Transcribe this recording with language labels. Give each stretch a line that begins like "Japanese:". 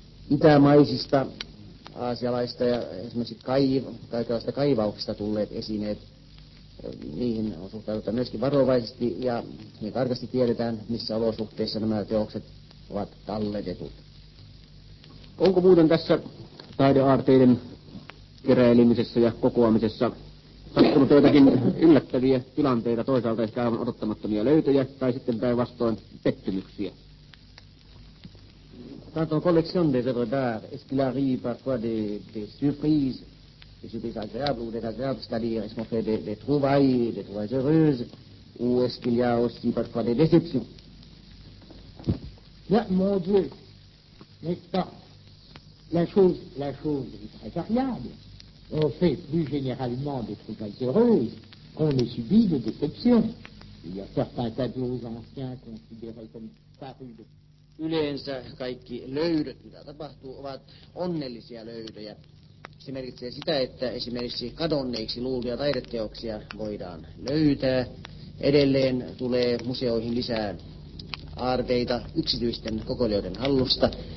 Finnish: Itämaisista, aasialaista ja esimerkiksi kaikenlaista kaivauksista tulleet esineet, niihin on suhtauduttava myöskin varovaisesti ja niin tarkasti tiedetään, missä olosuhteissa nämä teokset ovat talletetut. Onko muuten tässä taideaarteiden keräilemisessä ja kokoamisessa sattunut joitakin yllättäviä tilanteita, toisaalta ehkä aivan odottamattomia löytöjä tai sitten päinvastoin pettymyksiä?
French: Dans ton collection des œuvres d'art, est-ce qu'il arrive parfois des surprises agréables ou désagréables, c'est-à-dire est-ce qu'on fait des trouvailles heureuses, ou est-ce qu'il y a aussi parfois des déceptions? Bien, mon Dieu, n'est-ce pas? La chose est très variable. On fait plus généralement des trouvailles heureuses qu'on ait subi des déceptions. Il y a certains tableaux anciens considérés comme parus de...
Finnish: Yleensä kaikki löydöt, mitä tapahtuu, ovat onnellisia löydöjä. Se merkitsee sitä, että esimerkiksi kadonneiksi luultuja taideteoksia voidaan löytää. Edelleen tulee museoihin lisää aarteita yksityisten kokoelijoiden hallusta.